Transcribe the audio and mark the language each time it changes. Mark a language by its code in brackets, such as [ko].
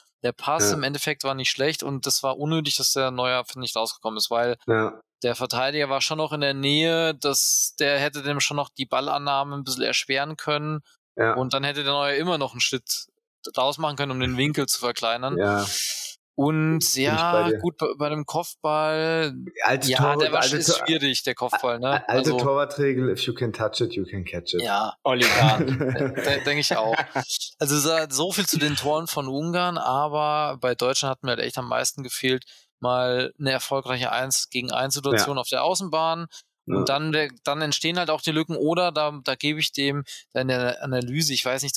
[de] Der Pass im Endeffekt war nicht schlecht und das war unnötig, dass der Neuer, finde ich, rausgekommen ist, weil der Verteidiger war schon noch in der Nähe, dass der hätte dem schon noch die Ballannahme ein bisschen erschweren können. Ja. Und dann hätte der Neuer immer noch einen Schritt draus machen können, um den Winkel zu verkleinern. Ja. Und bei dem Kopfball. Der war schwierig, der Kopfball, ne? Alte also, [en] Torwartregel, if you can touch it, you can catch it. [de] Ja, Oli Kahn. denke ich auch. Also so viel zu den Toren von Ungarn, aber bei Deutschland hat mir halt echt am meisten gefehlt. Mal eine erfolgreiche 1-gegen-1-Situation auf der Außenbahn. Ja. Und dann entstehen halt auch die Lücken. Oder da gebe ich dem in der Analyse, ich weiß nicht,